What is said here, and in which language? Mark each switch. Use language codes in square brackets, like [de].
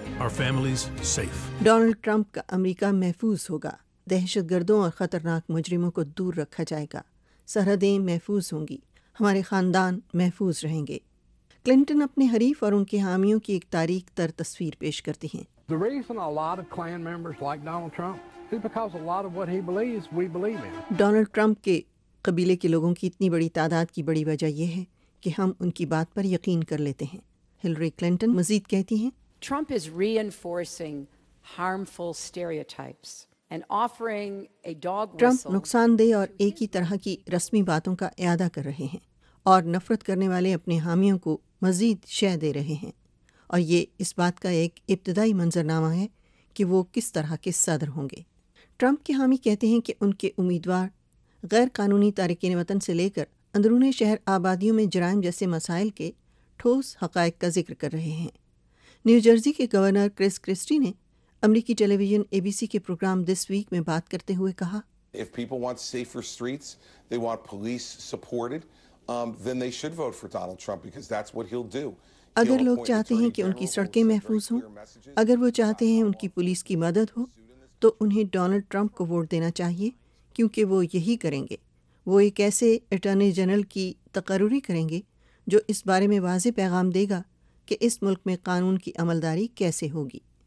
[en] Our families safe. [ur] Donald Trump کا امریکہ محفوظ ہوگا، دہشت گردوں اور خطرناک مجرموں کو دور رکھا جائے گا، سرحدیں محفوظ ہوں گی، ہمارے خاندان محفوظ رہیں گے۔ کلنٹن اپنے حریف اور ان کے حامیوں کی ایک تاریخ تر تصویر پیش کرتی ہیں۔ [en] The reason a lot of Klan members like Donald Trump is because a lot of what he believes we believe in. [ur] Donald Trump کے قبیلے کے لوگوں کی اتنی بڑی تعداد کی بڑی وجہ یہ ہے کہ ہم ان کی بات پر یقین کر لیتے ہیں۔ ہلری کلنٹن مزید کہتی ہیں، [en] Trump is reinforcing harmful stereotypes. [ur] ٹرمپ نقصان دہ اور ایک ہی طرح کی رسمی باتوں کا اعادہ کر رہے ہیں اور نفرت کرنے والے اپنے حامیوں کو مزید شہ دے رہے ہیں, اور یہ اس بات کا ایک ابتدائی منظرنامہ ہے کہ وہ کس طرح کے صدر ہوں گے. ٹرمپ کے حامی کہتے ہیں کہ ان کے امیدوار غیر قانونی تارکین وطن سے لے کر اندرون شہر آبادیوں میں جرائم جیسے مسائل کے ٹھوس حقائق کا ذکر کر رہے ہیں. نیو جرسی کے گورنر کرس کرسٹی نے امریکی ٹیلی ویژن اے بی سی کے پروگرام دس ویک میں بات کرتے ہوئے کہا, [en] If people want safer streets, they want police supported, then they should vote for Donald Trump because that's what he'll do. [ur] اگر لوگ چاہتے ہیں کہ ان کی سڑکیں محفوظ ہوں, اگر وہ چاہتے ہیں ان کی پولیس کی مدد ہو, تو انہیں ڈونلڈ ٹرمپ کو ووٹ دینا چاہیے کیونکہ وہ یہی کریں گے. وہ ایک ایسے اٹارنی جنرل کی تقرری کریں گے جو اس بارے میں واضح پیغام دے گا کہ اس ملک میں قانون کی عملداری کیسے ہوگی.